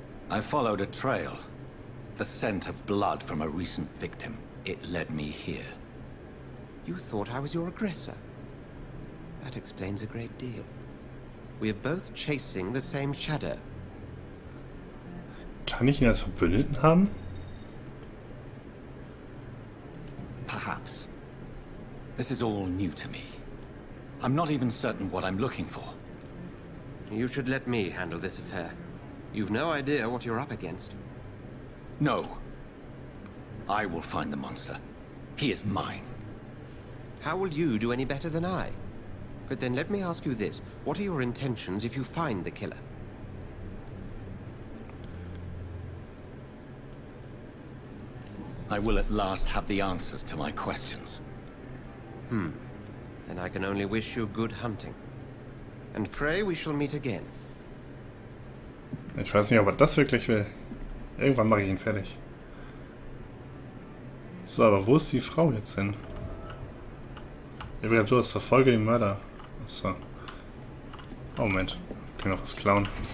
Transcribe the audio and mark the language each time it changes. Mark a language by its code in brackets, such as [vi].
[en] I followed a trail. The scent of blood from a recent victim. It led me here. You thought I was your aggressor. That explains a great deal. We're both chasing the same shadow. [de] Kann ich ihn als Verbündeten haben? [en] Perhaps. This is all new to me. I'm not even certain what I'm looking for. You should let me handle this affair. You've no idea what you're up against. No. I will find the monster. He is mine. How will you do any better than I? But then let me ask you this. What are your intentions if you find the killer? I will at last have the answers to my questions. Hmm. Then I can only wish you good hunting. And pray we shall meet again. [de] Ich weiß nicht, ob er das wirklich will. Irgendwann mache ich ihn fertig. So, aber wo ist die Frau jetzt hin? Übrigens, du hast verfolge den Mörder. Achso. Oh, Moment. Können wir noch was klauen?